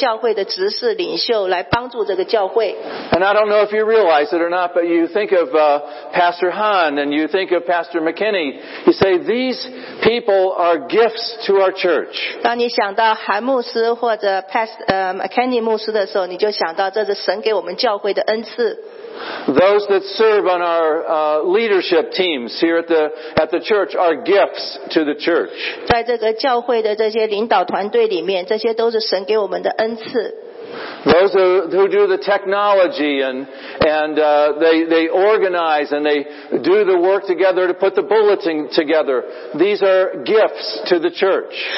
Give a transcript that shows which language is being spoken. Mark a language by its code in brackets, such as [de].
[zh] 他赐下的有先知、有长老、有牧师，还有不同的教会的执事领袖来帮助这个教会。 [en] And I don't know if you realize it or not, but you think of Pastor Han and you think of Pastor McKinney. You say these people are gifts to our church. [zh] 当你想到韩牧师或者 McKinney 牧师的时候，你就想到这是神给我们。 [en] Those that serve on our leadership teams here at the church are gifts to the church. [zh] 在这个教会的这些领导团队里面，这些都是神给我们的恩赐。 [en] Those who do the technology and they organize and they do the work together to put the bulletin together, these are gifts to the church.